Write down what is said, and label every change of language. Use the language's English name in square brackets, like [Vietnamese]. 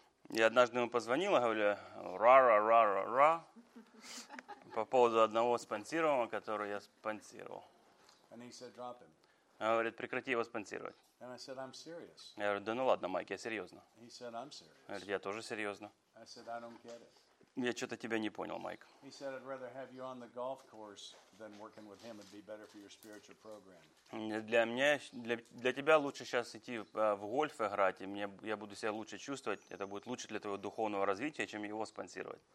[Russian] Я однажды ему позвонил и говорю, ра-ра-ра-ра-ра, по поводу одного спонсированного, которого я спонсировал. [English] And he said, drop him. [Russian] Он говорит, прекрати его спонсировать. [English] And I said, I'm serious. [Russian] Я говорю, да ну ладно, Майк, я серьезно. [English] He said, I'm serious. [Russian] Он говорит, я тоже серьезно. [English] I said, I don't get it. [Russian] Я что-то тебя не понял, Майк. [English] He said, I'd rather have you on the golf course than working with him. It'd be better for your spiritual program. [Russian] Для тебя лучше сейчас идти в гольф играть, и мне, я буду себя лучше чувствовать. Это будет лучше для твоего духовного развития, чем его спонсировать.